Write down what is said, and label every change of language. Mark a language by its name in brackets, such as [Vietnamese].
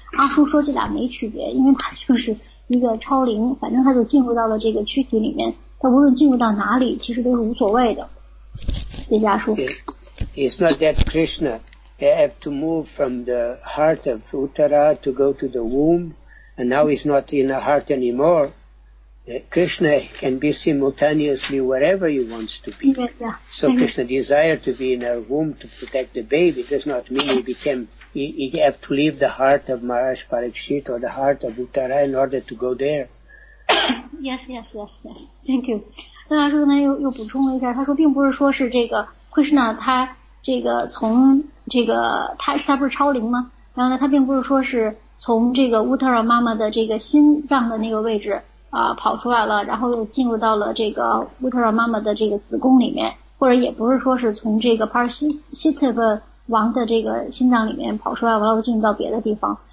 [Chinese] 阿叔说这俩没区别，因为他就是一个超灵，反正他就进入到了这个躯体里面，他无论进入到哪里，其实都是无所谓的。谢谢阿叔。 [English] It's not that Krishna have to move from the heart of Uttara to go to the womb, and now he's not in the heart anymore. Krishna can be simultaneously wherever he wants to be. Yeah. So Krishna desired to be in her womb to protect the baby. It does not mean he have to leave the heart of Maharaj Parikshit or the heart of Uttara in order to go there. Yes. Thank you. [Chinese] 那阿叔呢又补充了一下，他说并不是说是这个 Krishna 他这个从这个他不是超灵吗？然后呢，他并不是说是从这个 Uttara 妈妈的这个心脏的那个位置。跑出来了，然后又进入到了这个 Uttara 妈妈的这个子宫里面，或者也不是说是从这个 Parikshit 王的这个心脏里面跑出来，然后进入到别的地方。